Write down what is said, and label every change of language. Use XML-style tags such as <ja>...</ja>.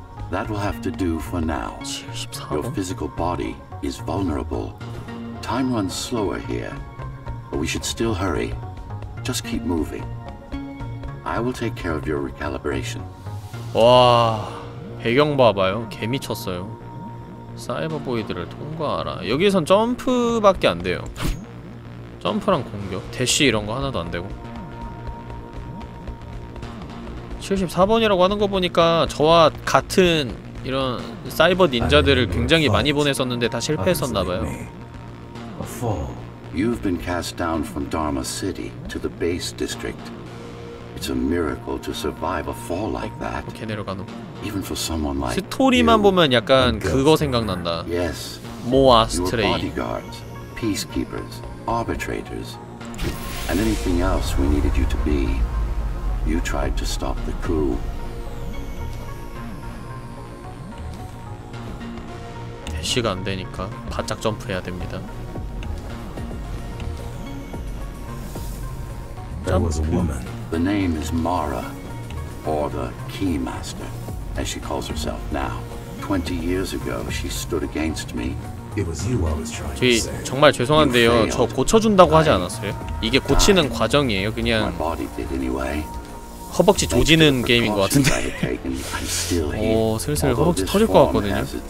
<en>That will have to do for now.</en> <ko>74번?</ko> <en>Your physical body is vulnerable. Time runs slower here. But we should still hurry. Just keep moving. I will take care of your recalibration.</en> <ko>와. 배경 봐봐요. 개 미쳤어요. 사이버 보이드를 통과하라. 여기선 점프밖에 안 돼요. 점프랑 공격? 대쉬 이런 거 하나도 안 되고. 74번이라고 하는 거 보니까 저와 같은 이런 사이버 닌자들을 굉장히 많이 보냈었는데 다 실패했었나 봐요.</ko> <en>You've been cast down from Dharma City to the base district. It's a miracle to survive a fall like that.</en> <ko>걔네로 가노.</ko> <en>Even for someone like</en> <ko>스토리만 보면 약간 그거 생각난다.</ko> <en>Yes. 모아스트레이. Your bodyguards, peacekeepers, arbitrators, and anything else we needed you to be. You tried to stop the coup.</en> <ko>대쉬가 안 되니까 바짝 점프해야 됩니다.</ko> <en>There was a woman. The name is Mara, or the Keymaster, as she calls herself now. 20 years ago, she stood against me. It was you I was trying to save.</en> <ko>저희 정말 죄송한데요. 저 고쳐준다고 하지 않았어요? 이게 고치는 과정이에요. 그냥</ko> <en>my body did anyway.</en> <ko>허벅지 조지는 게임인 것 같은데. 오, 슬슬 허벅지 터질 것 같거든요.</ko>